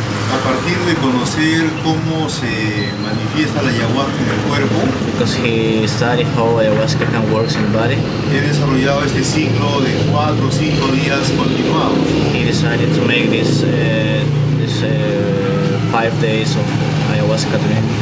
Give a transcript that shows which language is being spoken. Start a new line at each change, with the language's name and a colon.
Spanish: A partir de conocer cómo se manifiesta la ayahuasca en el cuerpo.
English: Because he studied how ayahuasca can work in the body.
Spanish: He desarrollado este ciclo de 4 o 5 días continuados.
English: He decided to make this 5 days of ayahuasca training.